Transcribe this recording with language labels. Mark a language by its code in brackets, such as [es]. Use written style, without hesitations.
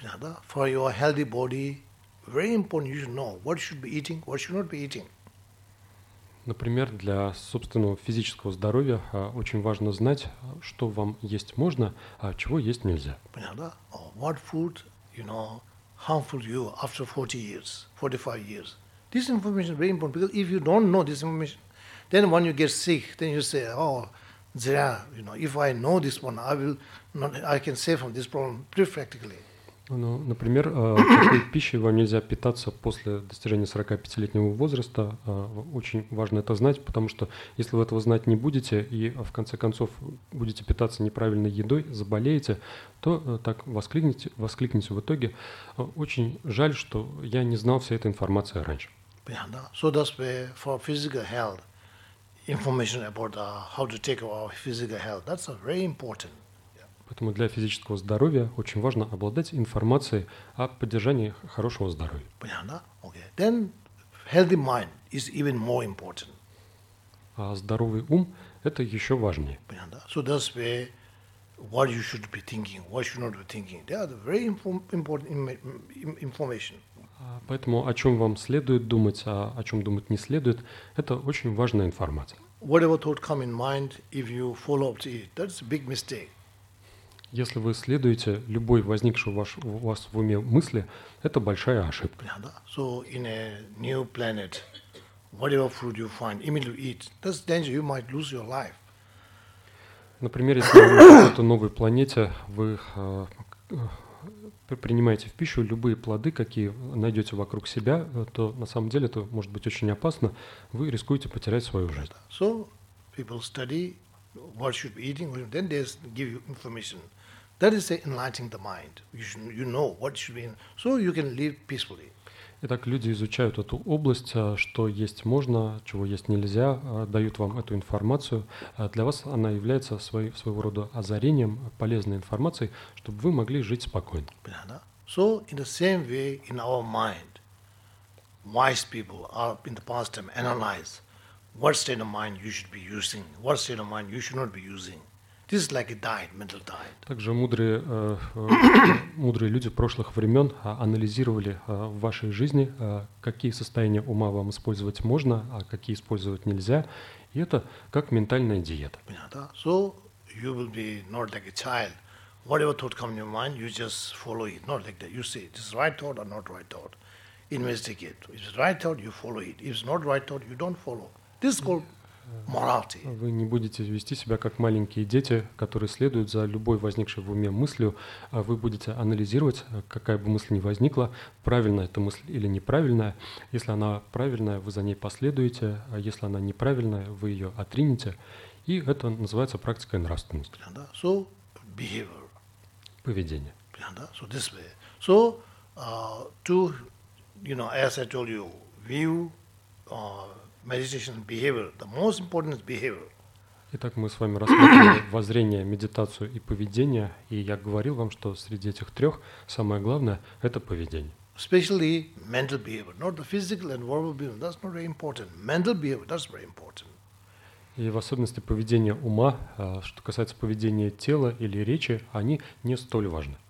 [ru] Понятно? [en] For your healthy body, very important you should know what should be eating, what should not be eating. [ru] Например, для собственного физического здоровья очень важно знать, что вам есть можно, а чего есть нельзя. Понятно? [en] What food, you know, harmful you after 40 years, 45 years. This information is very important because if you don't know this information, then when you get sick, then you say, oh, Zira, you know, if I know this one, I can save from this problem pretty practically. [ru] Ну, например, какой пищей вам нельзя питаться после достижения 45-летнего возраста. Очень важно это знать, потому что если вы этого знать не будете и в конце концов будете питаться неправильной едой, заболеете, то так воскликните в итоге. Очень жаль, что я не знал всей этой информации раньше. Понятно. [en] So that's for physical health, information about how to take our physical health, that's very important. [ru] Поэтому для физического здоровья очень важно обладать информацией о поддержании хорошего здоровья. Понятно? [en] Okay. Then healthy mind is even more important. [ru] А здоровый ум – это еще важнее. Понятно? [en] So that's where what you should be thinking, what you should not be thinking. They are very important information. [ru] Поэтому о чем вам следует думать, а о чем думать не следует – это очень важная информация. [en] Whatever thought come in mind, if you follow up to it, that's a big mistake. [ru] Если вы следуете любой возникшей у вас в уме мысли, это большая ошибка. [en] Yeah, [ru] да. [en] So in a new planet, whatever food you find, immediately eat. That's danger. You might lose your life. [ru] Например, если вы на какой-то новой планете, вы принимаете в пищу любые плоды, какие найдете вокруг себя, то на самом деле это может быть очень опасно. Вы рискуете потерять свою жизнь. [en] So people study what should be eating, then they give you information. That is enlightening the mind. You know what should be, so you can live peacefully. [ru] Итак, люди изучают эту область, что есть можно, чего есть нельзя, дают вам эту информацию. Для вас она является своего рода озарением, полезной информацией, чтобы вы могли жить спокойно. [en] So in the same way in our mind, wise people are in the past time analyze what state of mind you should be using, what state of mind you should not be using. This is like a diet, mental diet. [ru] Также мудрые люди прошлых времен анализировали в вашей жизни, какие состояния ума вам использовать можно, а какие использовать нельзя. И это как ментальная диета. Понятно? [en] So you will be not like a child. Whatever thought comes in your mind, you just follow it. Not like that. You say, this is right thought or not right thought. Investigate. If it's right thought, you follow it. If it's not right thought, you don't follow. This is called morality. [ru] Вы не будете вести себя как маленькие дети, которые следуют за любой возникшей в уме мыслью, а вы будете анализировать, какая бы мысль ни возникла, правильная эта мысль или неправильная. Если она правильная, вы за ней последуете, а если она неправильная, вы ее отринете. И это называется практикой нравственности. [en] So, behavior. [ru] Поведение. [en] So, this way. So, to, you know, as I told you, view, meditation behavior. The most important is behavior. [ru] Итак, мы с вами рассматривали воззрение, медитацию и поведение, и я говорил вам, что среди этих трех самое главное – это поведение. [en] Especially mental behavior, not the physical and verbal behavior. That's not very important. Mental behavior, that's very important. [ru] И в особенности поведение ума, что касается поведения тела или речи, они не столь важны.